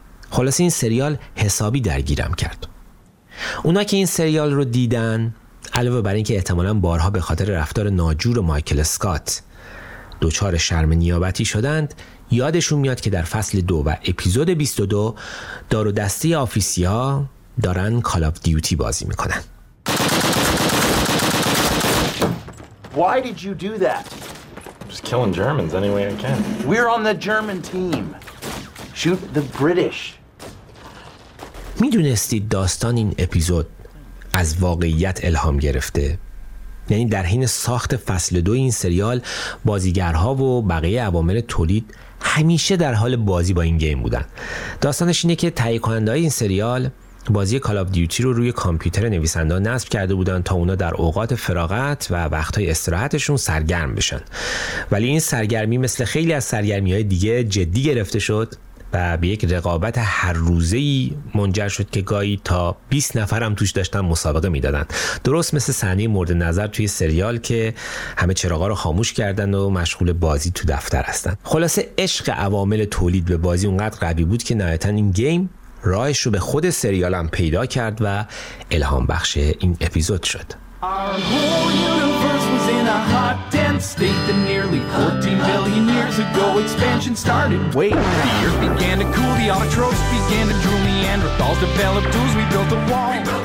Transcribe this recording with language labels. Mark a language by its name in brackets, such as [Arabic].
[Persian] خلاصه این سریال حسابی درگیرم کرد. اونا که این سریال رو دیدن علاوه بر این که احتمالاً بارها به خاطر رفتار ناجور مایکل اسکات دوچار شرم نیابتی شدند، یادشون میاد که در فصل 2 و اپیزود 22 دار و دسته آفیسی ها دارن کال آف دیوتی بازی میکنن. [English] Why did you do that? I'm just killing Germans any way I can. We're on the German team. Shoot the British. [Persian] میدونستید داستان این اپیزود از واقعیت الهام گرفته؟ یعنی در حین ساخت فصل 2 این سریال بازیگرها و بقیه عوامل تولید همیشه در حال بازی با این گیم بودن. داستانش اینه که تهیه کننده این سریال بازی کال آف دیوتی رو روی کامپیوتر نویسنده نصب کرده بودن تا اونا در اوقات فراغت و وقتهای استراحتشون سرگرم بشن، ولی این سرگرمی مثل خیلی از سرگرمی‌های دیگه جدی گرفته شد و به یک رقابت هر روزه‌ای منجر شد که گاهی تا 20 نفر هم توش داشتن مسابقه میدادن، درست مثل صحنه مورد نظر توی سریال که همه چراغا رو خاموش کردن و مشغول بازی تو دفتر هستن. خلاصه عشق عوامل تولید به بازی اونقدر قوی بود که نهایتاً این گیم راهش رو به خود سریال هم پیدا کرد و الهام بخش این اپیزود شد. [English] State that nearly 14 billion years ago expansion started. Wait, the earth began to cool, the autotrophs began to drool, Neanderthals developed tools, we built a wall.